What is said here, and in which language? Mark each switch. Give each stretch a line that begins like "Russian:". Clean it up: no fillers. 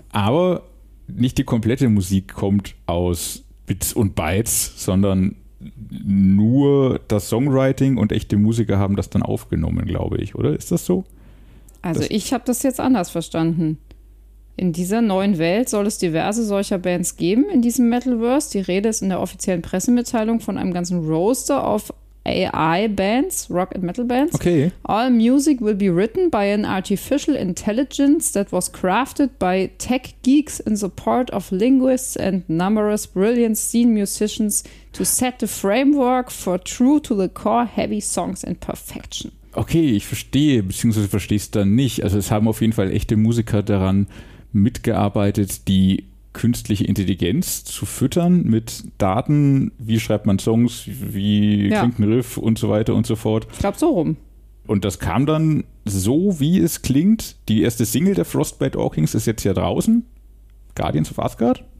German: Aber nicht die komplette Musik kommt aus Bits und Bytes, sondern nur das Songwriting und echte Musiker haben das dann aufgenommen, glaube ich, oder? Ist das so? Also ich habe das jetzt anders verstanden. In dieser neuen Welt soll es diverse solcher Bands geben, in diesem Metalverse. Die Rede ist in der offiziellen Pressemitteilung von einem ganzen
English: Roster of AI-Bands, Rock- and Metal-Bands.
German: Okay.
English: All music will be written by an artificial intelligence that was crafted by tech geeks in support of linguists and numerous brilliant scene musicians to set the framework for true to the core heavy songs and perfection.
German: Okay, ich verstehe, beziehungsweise verstehst du dann nicht. Also es haben auf jeden Fall echte Musiker daran mitgearbeitet, die künstliche Intelligenz zu füttern mit Daten, wie schreibt man Songs, wie klingt ein Riff und so weiter und so fort. Ich glaube so rum. Und das kam dann so, wie es klingt. Die erste Single der Frostbite Orkings ist jetzt hier draußen. Guardians of Asgard?